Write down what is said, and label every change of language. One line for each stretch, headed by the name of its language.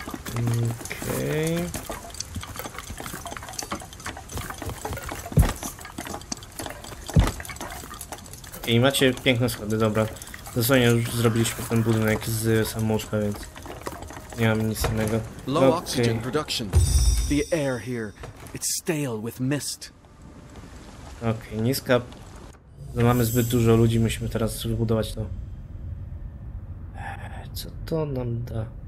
Polish: Okej. Okay. I macie piękne schody, dobra. Dosłownie już zrobiliśmy ten budynek z samouczka, więc... Nie mam nic innego.
English: Low oxygen production. The air here, it's stale with mist.
Polish: Okej, niska. No mamy zbyt dużo ludzi, musimy teraz wybudować to. Co to nam da?